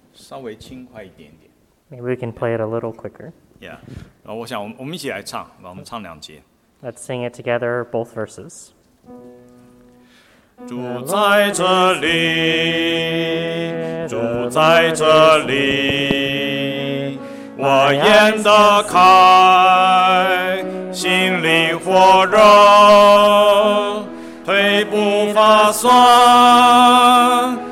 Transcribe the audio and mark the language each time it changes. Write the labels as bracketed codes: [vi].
[en] Maybe we can play it a little quicker. Yeah. [zh] 我想我们一起来唱，我们唱两节。 [en] Let's sing it together, both verses. [zh] 主在这里，主在这里，我眼的开，心里火热，腿不发酸。